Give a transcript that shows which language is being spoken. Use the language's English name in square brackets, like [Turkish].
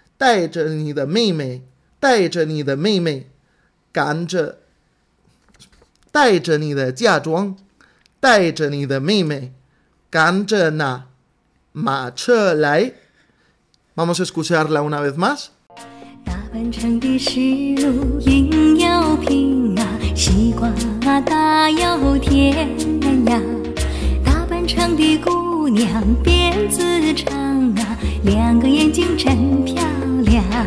[Chinese] 带着你的妹妹，带着你的妹妹，赶着，带着你的嫁妆，带着你的妹妹，赶着那马车来。 [Spanish] Vamos a escucharla una vez más. [Chinese] 大半城的石路硬要平啊，西瓜大要甜呀，大半城的姑娘辫子长啊，两个眼睛真漂亮。